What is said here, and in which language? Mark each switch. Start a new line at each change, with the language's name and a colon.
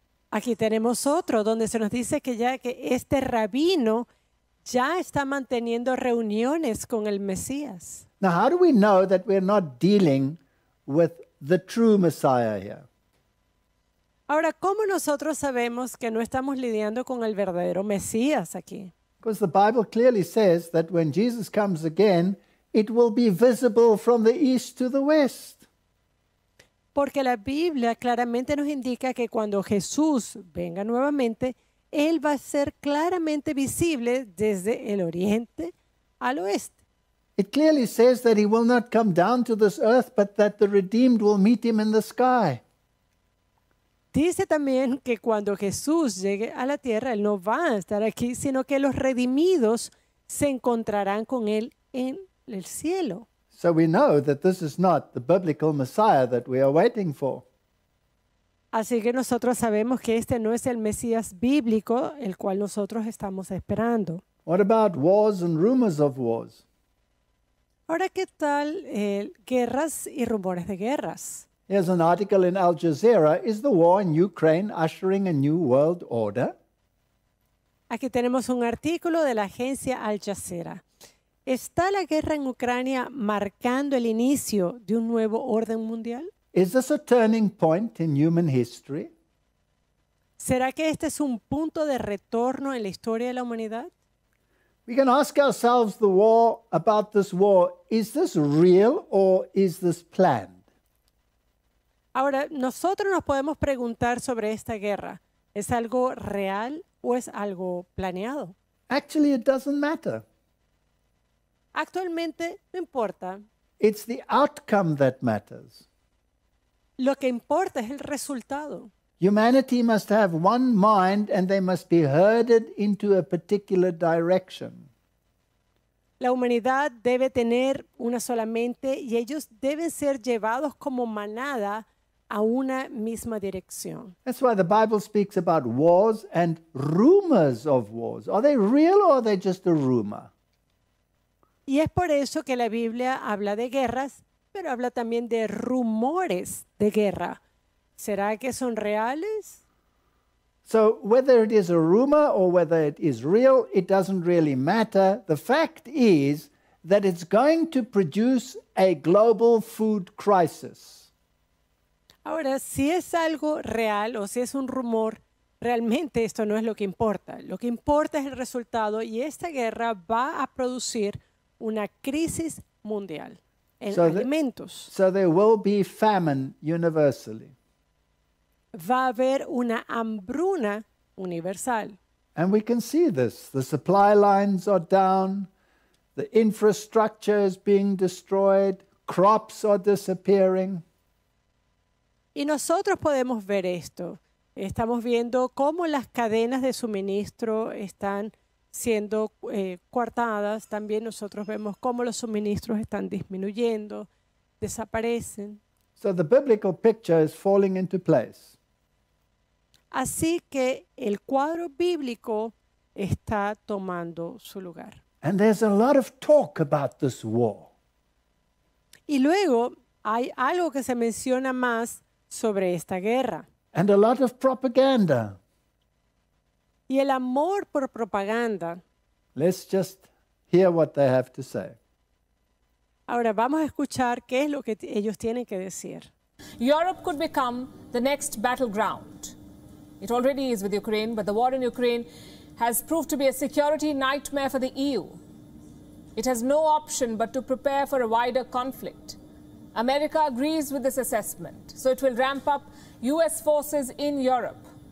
Spanish: Aquí tenemos otro donde se nos dice que ya que este rabino ya está manteniendo reuniones con el Mesías.
English: Now, how do we know that we're not dealing with the true Messiah here?
Spanish: Ahora, ¿cómo nosotros sabemos que no estamos lidiando con el verdadero Mesías aquí?
English: Because the Bible clearly says that when Jesus comes again, it will be visible from the east to the west.
Spanish: Porque la Biblia claramente nos indica que cuando Jesús venga nuevamente, él va a ser claramente visible desde el oriente al oeste.
English: It clearly says that he will not come down to this earth, but that the redeemed will meet him in the sky.
Spanish: Dice también que cuando Jesús llegue a la tierra, él no va a estar aquí, sino que los redimidos se encontrarán con él en el cielo.
English: So we know that this is not the biblical Messiah that we are waiting for.
Spanish: Así que nosotros sabemos que este no es el Mesías bíblico el cual nosotros estamos esperando.
English: What about wars and rumors of wars?
Spanish: Ahora, ¿qué tal guerras y rumores de guerras?
English: Here's an article in Al Jazeera. Is the war in Ukraine ushering a new world order?
Spanish: Aquí tenemos un artículo de la agencia Al Jazeera. ¿Está la guerra en Ucrania marcando el inicio de un nuevo orden mundial?
English: Is this a turning point in human history?
Spanish: ¿Será que este es un punto de retorno en la historia de la humanidad?
English: We can ask ourselves the war about this war. Is this real or is this planned?
Spanish: Ahora, nosotros nos podemos preguntar sobre esta guerra. ¿Es algo real o es algo planeado?
English: Actually, it doesn't matter.
Spanish: Actualmente, no importa.
English: It's the outcome that matters.
Spanish: Lo que importa es el resultado.
English: Humanity must have one mind and they must be herded into a particular direction.
Spanish: La humanidad debe tener una sola mente y ellos deben ser llevados como manada a una misma dirección.
English: That's why the Bible speaks about wars and rumors of wars. Are they real or are they just a rumor?
Spanish: Y es por eso que la Biblia habla de guerras, pero habla también de rumores de guerra. ¿Será que son reales?
English: So whether it is a rumor or whether it is real, it doesn't really matter. The fact is that it's going to produce a global food crisis.
Spanish: Ahora, si es algo real o si es un rumor, realmente esto no es lo que importa. Lo que importa es el resultado y esta guerra va a producir una crisis mundial en alimentos.
English: So there will be famine universally.
Spanish: Va a haber una hambruna universal.
English: And we can see this. The supply lines are down. The infrastructure is being destroyed. Crops are disappearing.
Spanish: Y nosotros podemos ver esto. Estamos viendo cómo las cadenas de suministro están siendo cortadas. También nosotros vemos cómo los suministros están disminuyendo, desaparecen.
English: So the biblical picture is falling into place.
Spanish: Así que el cuadro bíblico está tomando su lugar.
English: And there's a lot of talk about this war.
Spanish: Y luego hay algo que se menciona más sobre esta guerra.
English: And a lot of propaganda.
Spanish: Y el amor por propaganda.
English: Let's just hear what they have to say.
Spanish: Ahora vamos a escuchar qué es lo que ellos tienen que decir.
English: Europe could become the next battleground. It already is with Ukraine, but the war in Ukraine has proved to be a security nightmare for the EU. It has no option but to prepare for a wider conflict. America agrees with this assessment, so it will ramp up US forces in Europe.